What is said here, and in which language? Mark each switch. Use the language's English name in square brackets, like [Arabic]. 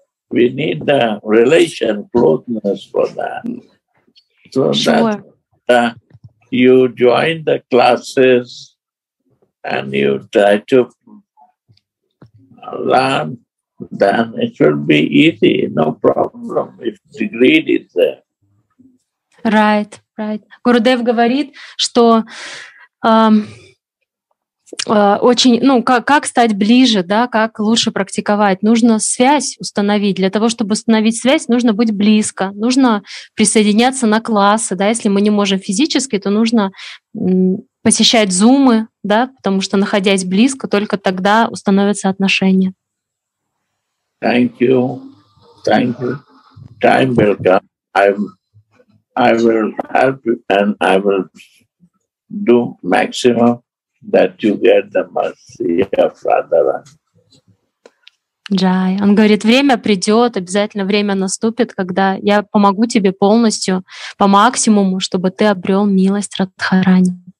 [English] We need the relation, closeness for that. So sure. That you join the classes and you try to learn, then it will be easy, no problem, if degree is there. Right, right. [Russian] Gurudev говорит, что очень, ну, как стать ближе, да, как лучше практиковать? Нужно связь установить. Для того, чтобы установить связь, нужно быть близко, нужно присоединяться на классы, да, если мы не можем физически, то нужно посещать зумы, да, потому что, находясь близко, только тогда установятся отношения. [English] Thank you. Thank you. Time will come. I will help you and I will do maximum that you get the mercy of Radha. [Russian] Джай. Он говорит, время придет, обязательно время наступит, когда я помогу тебе полностью, по максимуму, чтобы ты обрел милость Радхарани.